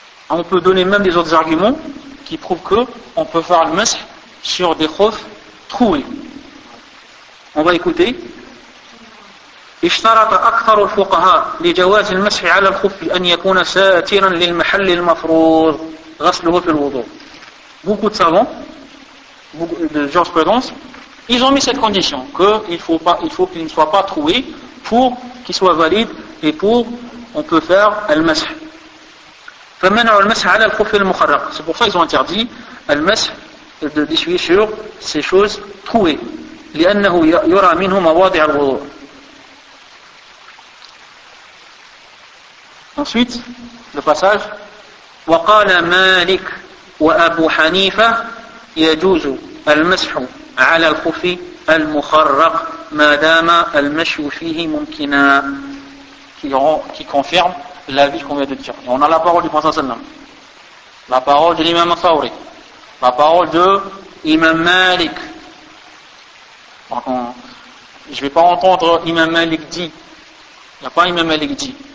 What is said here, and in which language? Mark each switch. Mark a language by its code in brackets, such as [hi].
[fr] On peut donner même des autres arguments qui prouvent qu'on peut faire le masque sur des khoufs troués. On va écouter. [ar] اشترط أكثر الفقهاء لجواز المسح على الخف أن يكون ساترا للمحل المفروض غسله في الوضوء. [fr] Beaucoup de savants, beaucoup de jurisprudence, ils ont mis cette condition qu'il faut qu'il ne soit pas troué pour qu'il soit valide et pour on peut faire le mash. [ar] فمنع المسح على الخف المخرق. [fr] C'est pour ça qu'ils ont interdit le mash de dessuyer sur ces choses trouées. [ar] لأنه يرى منه مواضع الوضوء. [fr] Ensuite, le passage. [ar] وقال مالك وأبو حنيفة يجوز المسح على الخف المخرق ما دام المشي فيه ممكنا. [fr] Qui confirme l'avis qu'on vient de dire. Et on a la parole du Prophète sallam, la parole de l'imam Thawri, la parole de l'imam Malik. Je ne vais pas entendre l'imam Malik dit. Il n'y a pas l'imam Malik dit.